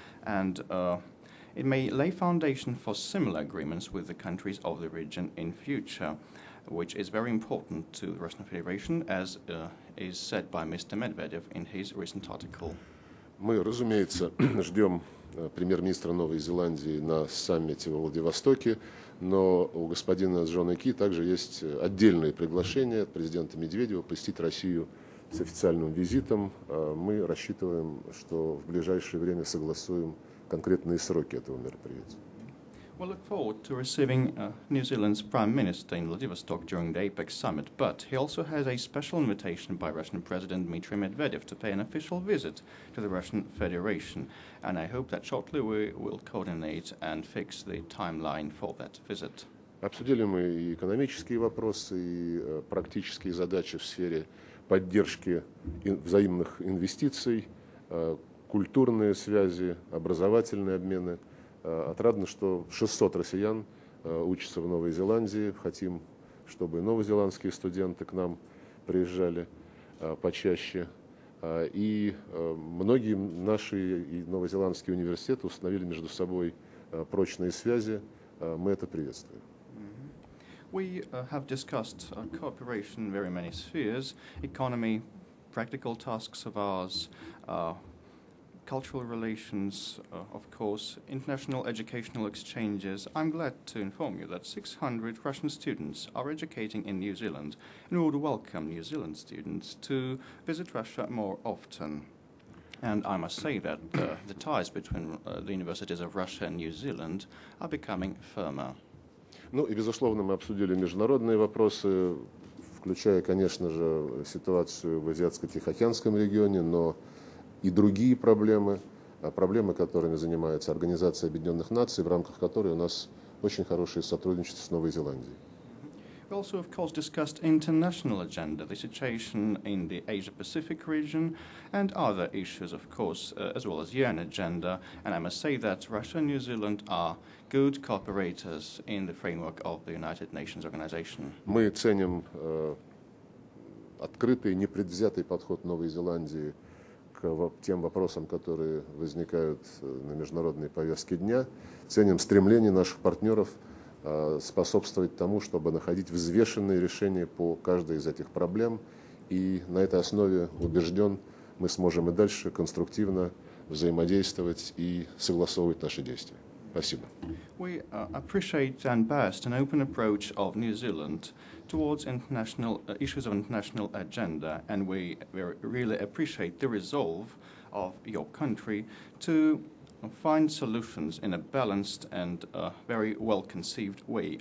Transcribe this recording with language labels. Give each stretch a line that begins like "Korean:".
English: and it may lay foundation for similar agreements with the countries of the region in future, which is very important to the Russian Federation, as is said by Mr. Medvedev in his recent article.
Russian: Мы, разумеется, ждем премьер-министра Новой Зеландии на саммите во Владивостоке, но у господина Джона Ки также есть отдельное приглашение от президента Медведева посетить Россию с официальным визитом. Мы рассчитываем, что в ближайшее время согласуем конкретные сроки этого мероприятия.
English: We look forward to receiving New Zealand's Prime Minister in Vladivostok during the APEC summit, but he also has a special invitation by Russian President Dmitry Medvedev to pay an official visit to the Russian Federation, and I hope that shortly we will coordinate and fix the timeline for that visit.
Russian: Обсудили мы и экономические вопросы, и практические задачи в сфере поддержки взаимных инвестиций, культурные связи, образовательные обмены. Отрадно, что 600 россиян учатся в Новой Зеландии. Хотим, чтобы новозеландские студенты к нам приезжали почаще. И многие наши и новозеландские университеты установили между собой прочные связи. Мы это приветствуем.
English: We have discussed cooperation in very many spheres, economy, practical tasks of ours, cultural relations, of course, international educational exchanges. I'm glad to inform you that 600 Russian students are educating in New Zealand, and we would welcome New Zealand students to visit Russia more often. And I must say that the ties between the universities of Russia and New Zealand are becoming firmer.
Russian: Ну и, безусловно, мы обсудили международные вопросы, включая, конечно же, ситуацию в Азиатско-Тихоокеанском регионе, но и другие проблемы, проблемы, которыми занимается Организация Объединенных Наций, в рамках которой у нас очень хорошее сотрудничество с Новой Зеландией.
English: We also, of course, discussed international agenda, the situation in the Asia-Pacific region and other issues, of course, as well as UN agenda. And I must say that Russia and New Zealand are good cooperators in the framework of the United Nations Organization.
Russian: Мы ценим открытый, непредвзятый подход Новой Зеландии к тем вопросам, которые возникают на международной повестке дня. Ценим стремление наших партнеров способствовать тому, чтобы находить взвешенные решения по каждой из этих проблем. И на этой основе убежден, мы сможем и дальше конструктивно взаимодействовать и согласовывать наши действия. Спасибо.
English: We appreciate and best an open approach of New Zealand towards international issues of international agenda, and we really appreciate the resolve of your country to find solutions in a balanced and very well-conceived way.